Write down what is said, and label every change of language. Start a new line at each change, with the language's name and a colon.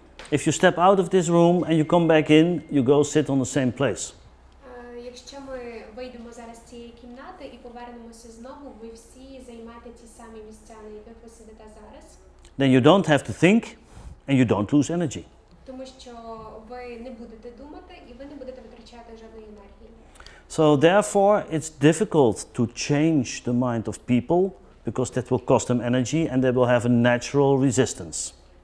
English: If you step out of this room and you come back in, you go sit on the same place.
Ukrainian: Якщо ми вийдемо зараз з цієї кімнати і повернемося знову, ви всі займаєте ті самі місця, на яких ви сидите зараз.
English: Then you don't have to think and you don't lose energy.
Ukrainian: Тому що ви не будете думати і ви не будете витрачати жодної енергії.
English: So therefore it's difficult to change the mind of people because that will cost them energy and they will have a natural resistance.